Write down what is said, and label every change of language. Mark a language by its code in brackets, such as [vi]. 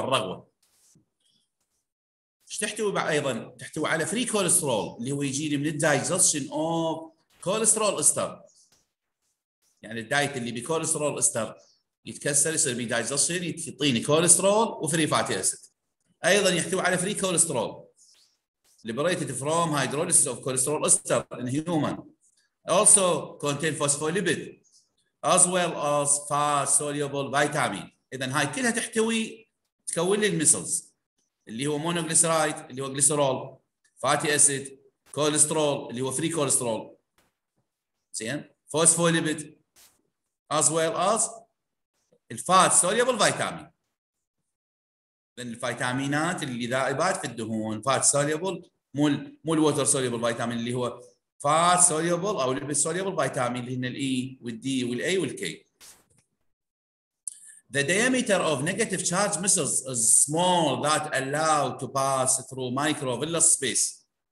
[ar] الرغوة ايش تحتوي بعد ايضا تحتوي على [en] free cholesterol [ar] اللي هو يجي لي من [en] digestion of cholesterol ester. [ar] يعني الدايت اللي بكوليسترول ester يتكسر يصير بي digestion يعطيني كوليسترول وفري فاتي اسيد. ايضا يحتوي على [en] free cholesterol liberated from hydrolysis of cholesterol ester in human. Also contain phospholipid as well as fat soluble vitamin. [ar] اذا هاي كلها تحتوي تكون لي المسلز اللي هو مونوغليسرايد اللي هو جليسرول فاتي اسيد كوليسترول اللي هو فري كوليسترول زين فوسفوليبيد [en] as well as [ar] الفات سوليبل فيتامين. لان الفيتامينات اللي ذائبات في الدهون فات سوليبل مو الووتر سوليبل فيتامين اللي هو فات سوليبل او ليبيد سوليبل فيتامين اللي هن الاي والدي والاي والكي. [en] The diameter of negative charge missiles is small that allow to pass through microvillus space.